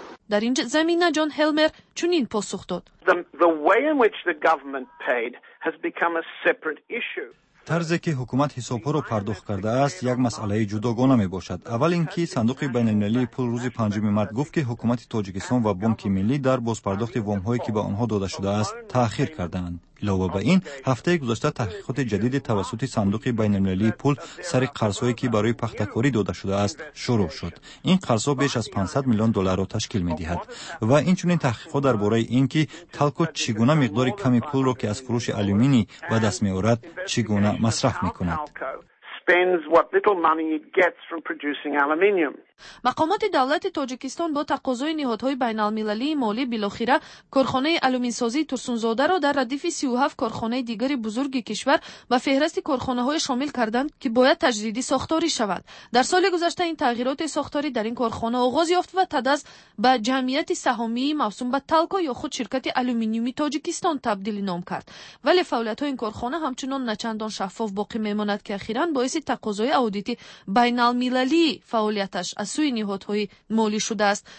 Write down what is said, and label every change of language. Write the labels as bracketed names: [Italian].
[Persian] در این زمینه جان هلمر چنین پاسخ داد. [English] The way in which the government paid has become a separate issue. [Persian] طرزی که حکومت حساب‌ها را پرداخت کرده است یک مسئله جداگانه می باشد. اول اینکه صندوق بین‌المللی پول روز 5 مارس گفت که حکومت تاجیکستان و بانک ملی در بازپرداخت وام‌هایی که به آنها داده شده است تأخیر کرده‌اند. علاوه به این هفته گذشته تحقیقات جدید توسط صندوق بین المللی پول سر قرضهایی که برای پختکاری داده شده است شروع شد. این قرضها بیش از 500 میلیون دلار را تشکیل می دهد و این چنین تحقیقات درباره این که تالکو چگونه مقدار کمی پول را که از فروش آلومینی و دست می آورد چگونه مصرف می کند. [English] Spends what little money it gets from producing aluminium. [Persian] مقامات دولت تاجیکستان با تقاضای نهادهای بین المللی مالی بالاخره کارخانه آلومین سازی تورسونزاده را در ردیف 37 کارخانه دیگر بزرگ کشور به فهرست کارخانه های شامل کردند که باید تجدیدی ساختاری شود. در سال گذشته این تغییرات ساختاری در این کارخانه آغاز یافت و تداس به جمعیت سهامی موسوم به تالکو یا خود شرکت آلومینیومی تاجیکستان تبدیل نام کرد، ولی فعالیت های این کارخانه همچنان نچندان شفاف باقی میماند که اخیرا باعث تقاضای اودیت بین المللی فعالیتش از سوی نهادهای مالی شده است.